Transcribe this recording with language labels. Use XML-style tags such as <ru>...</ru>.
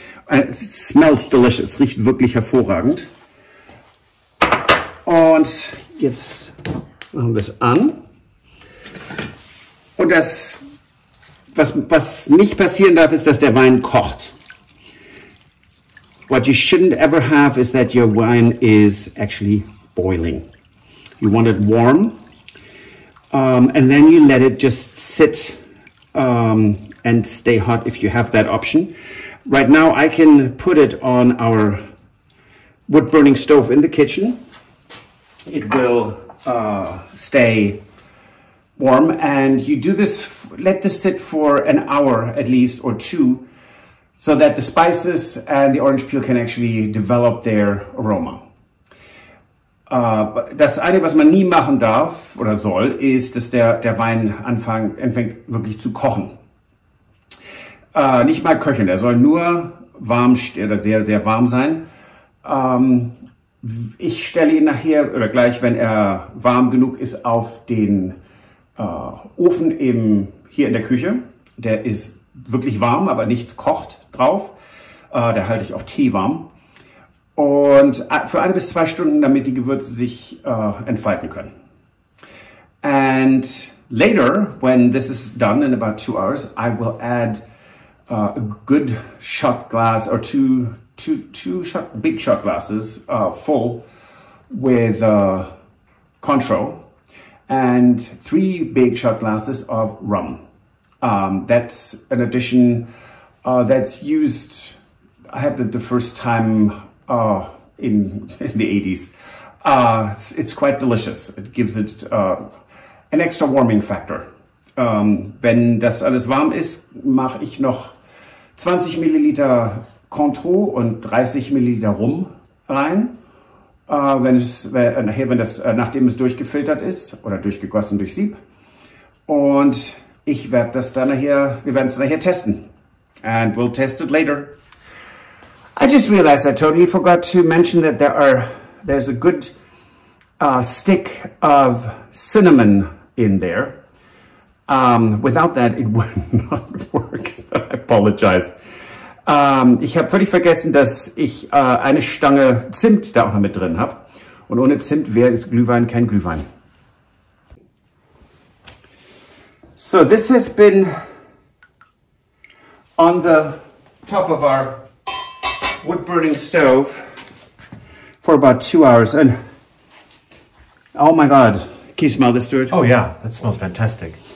<en>It smells delicious,</en> <de>riecht wirklich hervorragend. Und jetzt machen wir es an. Und das, was nicht passieren darf, ist, dass der Wein kocht.</de> <en>What you shouldn't ever have is that your wine is actually boiling. You want it warm, and then you let it just sit and stay hot if you have that option. Right now I can put it on our wood burning stove in the kitchen. It will stay warm, and you do this, let this sit for an hour at least, or two, so that the spices and the orange peel can actually develop their aroma.</en> <de>Das eine, was man nie machen darf oder soll, ist, dass der Wein anfängt wirklich zu kochen. Nicht mal köcheln, der soll nur warm oder sehr, sehr warm sein. Ich stelle ihn nachher oder gleich, wenn er warm genug ist, auf den Ofen im, hier in der Küche. Der ist wirklich warm, aber nichts kocht drauf. Da halte ich auch Tee warm. Und für 1 bis 2 Stunden, damit die Gewürze sich entfalten können.</de> <en>And later, when this is done in about 2 hours, I will add a good shot glass or two shot, big shot glasses full with Cointreau, and 3 big shot glasses of rum. That's an addition that's used, I had it the first time in the 80s. It's quite delicious. It gives it an extra warming factor.</en> <de>Wenn das alles warm ist, mache ich noch 20 Milliliter Cointreau und 30 Milliliter Rum rein. Nachdem es durchgefiltert ist oder durchgegossen durch Sieb. Und ich werde das dann nachher, wir werden es nachher testen.</de> <en>And we'll test it later. I just realized I totally forgot to mention that there's a good stick of cinnamon in there. Without that, it would not work. So I apologize.</en> <de>Ich habe völlig vergessen, dass ich eine Stange Zimt da auch noch mit drin habe. Und ohne Zimt wäre das Glühwein kein Glühwein.</de> <en>So, this has been on the top of our wood-burning stove for about 2 hours. And oh my God, can you smell this, Stuart? Oh yeah, that smells fantastic.</en>